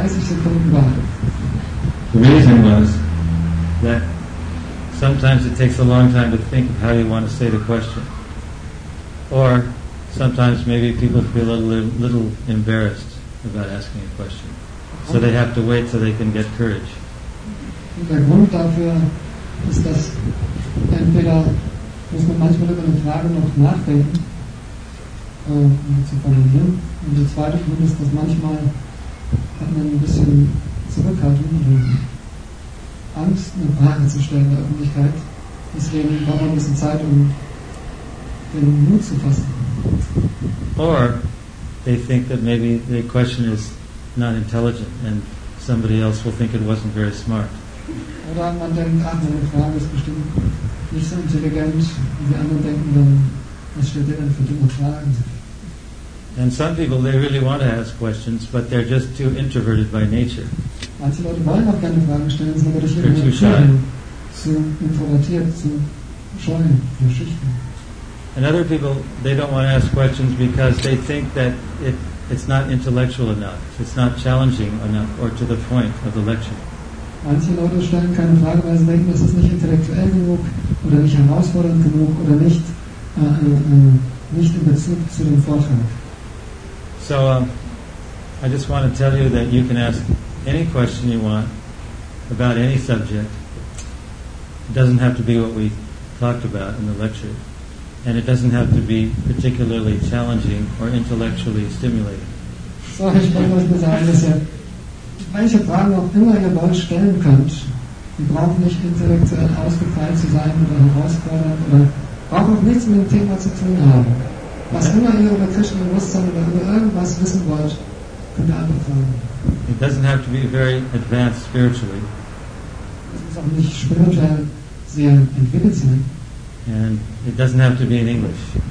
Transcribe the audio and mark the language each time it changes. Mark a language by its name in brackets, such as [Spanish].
[English] The reason was that sometimes it takes a long time to think of how you want to say the question. Or sometimes maybe people feel a little embarrassed about asking a question. So they have to wait so they can get courage. [German] Der Grund dafür ist, dass entweder muss man manchmal über eine Frage noch nachdenken, um sie zu formulieren. Und der zweite Grund ist, dass manchmal hat man ein bisschen Zurückhaltung und Angst, eine Frage zu stellen in der Öffentlichkeit. Deswegen braucht man ein bisschen Zeit, um den Mut zu fassen. [English] Or they think that maybe the question is not intelligent and somebody else will think it wasn't very smart. [German] Oder man denkt, ach, meine Frage ist bestimmt nicht so intelligent, wie die anderen denken, dann was stellt ihr denn für dumme Fragen? [English] And some people, they really want to ask questions, but they're just too introverted by nature. [German] Manche Leute wollen auch gerne Fragen stellen, sind aber durch ihre Natur zu introvertiert, zu scheuen, zu schüchtern. [English] And other people, they don't want to ask questions because they think that it's not intellectual enough, it's not challenging enough, or to the point of the lecture. [German] Manche Leute stellen keine Frage, weil sie denken, es ist nicht intellektuell genug, oder nicht herausfordernd genug, oder nicht in Bezug zu dem Vortrag. [English] So I just want to tell you that you can ask any question you want about any subject. It doesn't have to be what we talked about in the lecture. And it doesn't have to be particularly challenging or intellectually stimulating. [German] So ich wollte nur sagen, dass ihr welche Fragen auch immer ihr wollt stellen könnt. Die brauchen nicht intellektuell ausgefeilt zu sein oder herausfordernd oder brauchen auch nichts mit dem Thema zu tun haben. Was immer ihr über Krishna Bewusstsein oder über irgendwas wissen wollt, könnt ihr einfach fragen. [English] It doesn't have to be very advanced spiritually. [German] Es muss auch nicht spirituell sehr entwickelt sein. [English] And it doesn't have to be in English.